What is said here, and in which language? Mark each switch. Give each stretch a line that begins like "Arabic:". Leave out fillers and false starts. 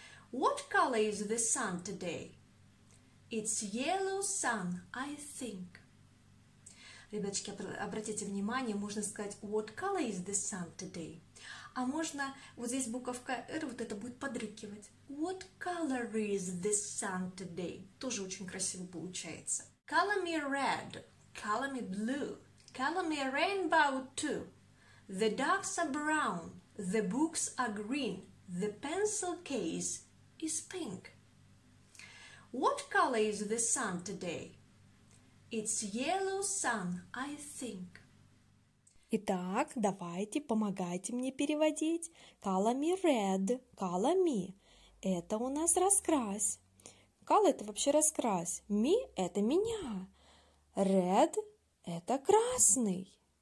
English: What color is the sun today? It's yellow sun, I think.
Russian: Ребяточки, обратите внимание, можно сказать
English: What color is the sun today?
Russian: А можно вот здесь буковка R, вот это будет подрыкивать.
English: What color is the sun today?
Russian: Тоже очень красиво получается.
English: Color me red, color me blue, color me rainbow too. The doves are brown, the books are green, the pencil case is pink. What color is the sun today? It's yellow sun, I think.
Russian: Итак, давайте, помогайте мне переводить.
English: Color me red, color me.
Russian: Это у нас раскрась. Color — это вообще раскрась. Me — это меня. Red — это красный.